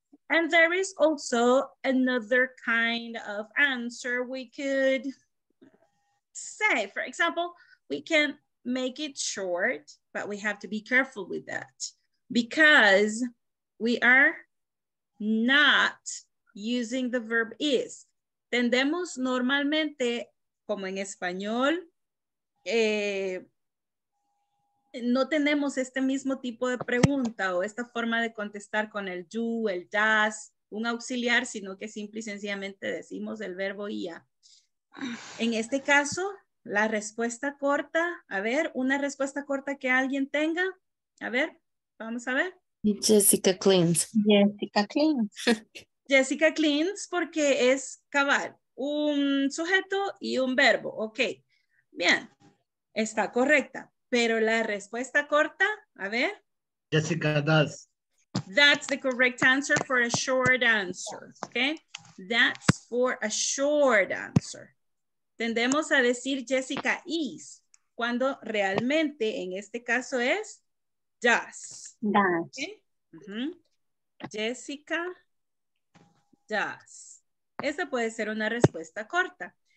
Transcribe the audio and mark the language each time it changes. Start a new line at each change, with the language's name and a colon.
English: And there is also another kind of answer we could say. For example, we can make it short, but we have to be careful with that because we are not using the verb is.
Spanish: Tendemos normalmente, como en español, no tenemos este mismo tipo de pregunta o esta forma de contestar con el do, el does, un auxiliar, sino que simple y sencillamente decimos el verbo ia. En este caso, la respuesta corta, a ver, una respuesta corta que alguien tenga. A ver, vamos a ver.
English: Jessica cleans. Jessica cleans. Jessica cleans
Spanish: porque es cabal, un sujeto y un verbo. Ok, bien, está correcta. Pero la respuesta corta, a ver.
English: Jessica does. That's the correct answer for a short answer, okay? That's for a short answer.
Spanish: Tendemos a decir
English: Jessica is,
Spanish: cuando realmente en este caso es does.
English: Does. Okay? Mm-hmm. Jessica does.
Spanish: Esa puede ser una respuesta corta.